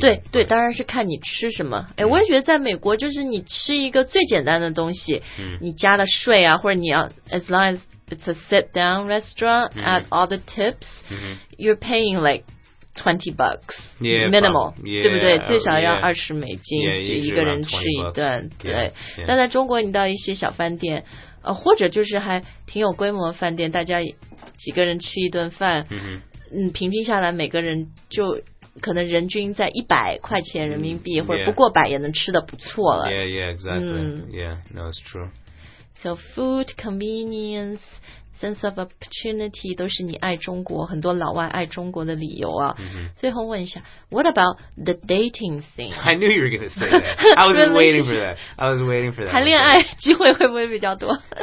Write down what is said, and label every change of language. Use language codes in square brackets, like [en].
[zh] 对对当然是看你吃什么、mm-hmm. 我也觉得在美国就是你吃一个最简单的东西、mm-hmm. 你加了税啊或者你要 [en] as long asIt's a sit-down restaurant、 [zh] mm-hmm. [en] at all the tips.、 Mm-hmm. You're paying like $20 yeah, minimal, yeah, [zh] 对不对？ [en] Oh, [zh] 最少要$20 [en] ，yeah, [zh] 就一个人吃一顿。 [en] Yeah, [zh] 对。 [en] Yeah. [zh] 但在中国，你到一些小饭店，或者就是还挺有规模的饭店，大家几个人吃一顿饭，嗯，平均下来每个人就可能人均在$100人民币， mm-hmm. 或者不过百也能吃得不错了。 [en] Yeah, yeah, exactly.、Yeah, no, it's true. So food, convenience, sense of opportunity [zh] 都是你爱中国很多老外爱中国的理由啊、 mm-hmm. 最后问一下 [en] What about the dating scene? I knew you were going to say that I was waiting for that I was waiting for that [zh] 谈恋爱机会会不会比较多